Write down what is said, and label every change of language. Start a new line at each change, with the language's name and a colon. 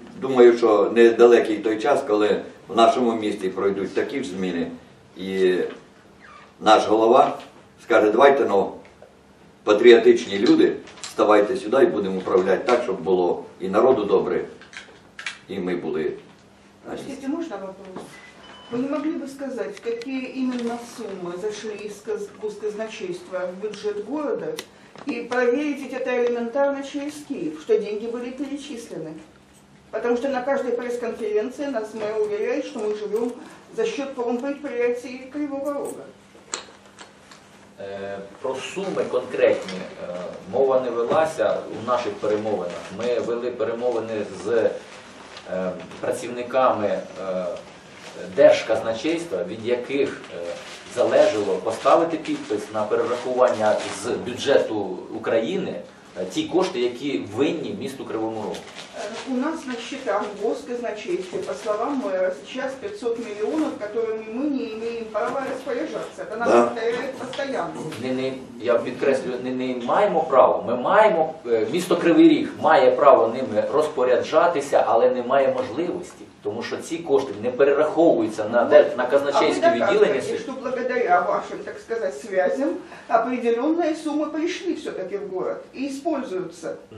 Ukrainian: Думаю, що недалекий той час, коли в нашому місті пройдуть такі ж зміни, і наш голова скаже, давайте, патріотичні люди, вставайте сюди і будемо управляти так, щоб було і народу добре, і ми були. Скажіть, можна вопрос? Ви не могли би сказати, які іменно суми зайшли з казначейства в бюджет міста, і перевірити це елементарно через Київ, що гроші були перечислені?
Russian: Потому что на каждой пресс-конференции нас мэр уверяет, что мы живем за счет полного предприятия Кривого Рога.
Ukrainian: Про суми конкретні мова не велася у наших перемовинах. Ми вели перемовини з працівниками Держказначейства, від яких залежало поставити підпис на перерахування з бюджету України ті кошти, які винні місту Кривому Рогу.
Russian: У нас на счетах госказначейства, по словам мера, сейчас 500 мільйонів, которыми мы не имеем права распоряжаться. Это нас повторяет постоянно.
Ukrainian: Я підкреслюю, не маємо права. Ми маємо, місто Кривий Ріг має право ними розпоряджатися, але не має можливості. Тому що ці кошти не перераховуються на казначейське відділення. А ви докажете, що благодаря вашим, так сказати, зв'язям, определенні суми прийшли все-таки в город і використовуються?